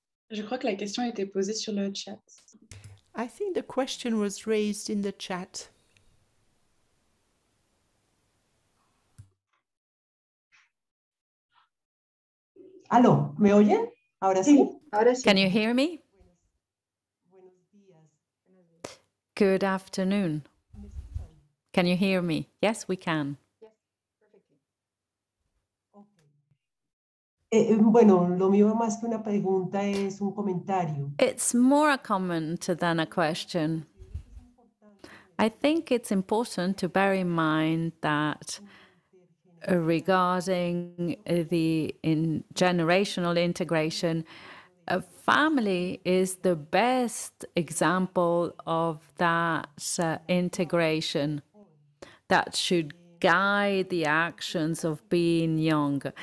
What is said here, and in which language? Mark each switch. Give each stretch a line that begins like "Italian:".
French: Je crois que la question a été posée sur le chat.
English: I think the question was raised in the chat.
Spanish: Allô, me oyen? Ahora sí. Ahora sí.
English: Can you hear me? Good afternoon. Can you hear me? Yes, we can.
Spanish: Bueno, lo mío más que una pregunta es un comentario.
English: It's more a comment than a question. I think it's important to bear in mind that regarding the generational integration, a family is the best example of that integration that should guide the actions of being young.